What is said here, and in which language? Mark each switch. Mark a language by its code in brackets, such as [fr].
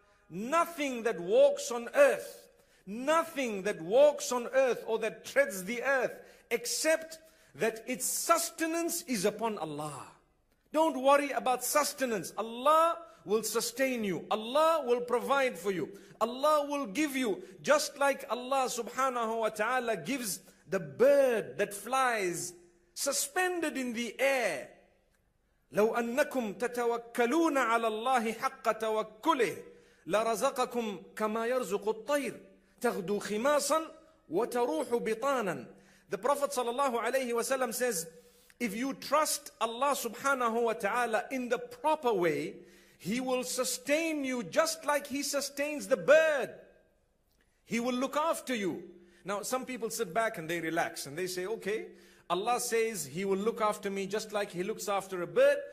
[en] Nothing that walks on earth, nothing that walks on earth or that treads the earth, except that its sustenance is upon Allah. Don't worry about sustenance. Allah will sustain you. Allah will provide for you. Allah will give you, just like Allah subhanahu wa ta'ala gives the bird that flies suspended in the air. [ar] لو أنكم تتوكلون على الله حق توكله لرزقكم كما يرزق الطير تغدو خماصا وتروح بطانا. [en] The Prophet sallallahu alayhi wa sallam says, if you trust Allah subhanahu wa ta'ala in the proper way, he will sustain you just like he sustains the bird. He will look after you. Now, some people sit back and they relax and they say, okay, Allah says he will look after me just like he looks after a bird.